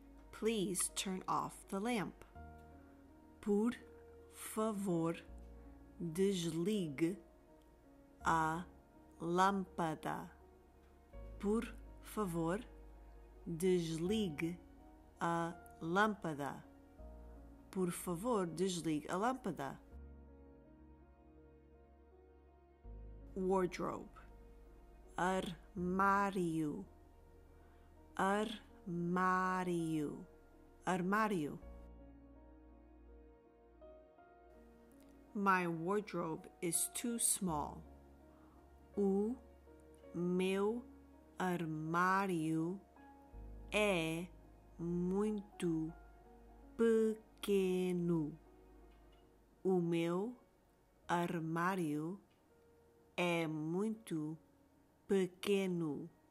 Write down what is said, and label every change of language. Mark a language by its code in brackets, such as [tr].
[en] Please turn off the lamp. [pt] Por favor, desligue a lâmpada. Por favor, desligue a lâmpada. Por favor, desligue a lâmpada. [en] Wardrobe. [pt] Armário. Armário. Armário. [en] My wardrobe is too small. [pt] O meu armário é muito pequeno. O meu armário é muito pequeno.